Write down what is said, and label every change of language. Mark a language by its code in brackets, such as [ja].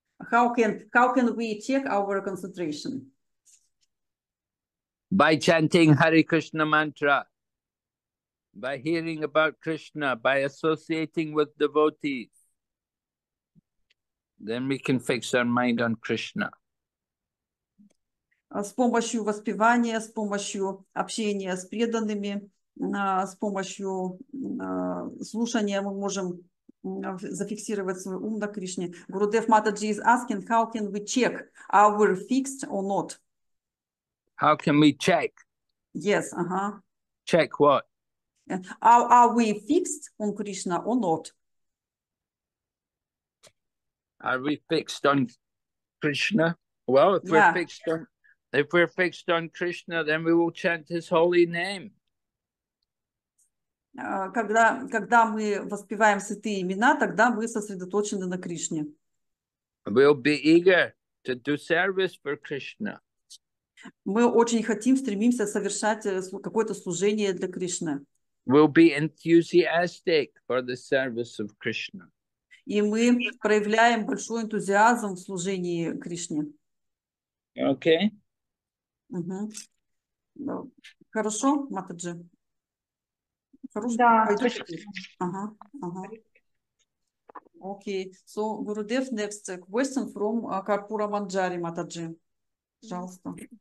[en] How can we check our concentration? By chanting Hare Krishna mantra, by hearing about Krishna, by associating with devotees, then we can fix our mind on Krishna. [ru] С помощью воспевания, с помощью общения с преданными, с помощью слушания мы можем зафиксировать свой ум на Кришне. [en] Гурудев Матаджи is asking, how can we check are we fixed or not? How can we check? Yes, uh-huh. Check what? Are we fixed on Krishna or not? Are we fixed on Krishna? Well, if we're fixed on Krishna, then we will chant his holy name. [ru] Когда мы воспеваем святые имена, тогда мы сосредоточены на Кришне. [en] We'll be eager to do service for Krishna. [ru] Мы очень хотим, стремимся совершать какое-то служение для Кришны. [en] We'll be enthusiastic for the service of Krishna. [ru] И мы проявляем большой энтузиазм в служении Кришне. [en] Okay. [ru] Угу. Хорошо, Матаджи? Хорошо. Да, хорошо. Ага, ага. [en] Okay, so Gurudev, next question from Карпура Манджари, Матаджи. [ru] Пожалуйста.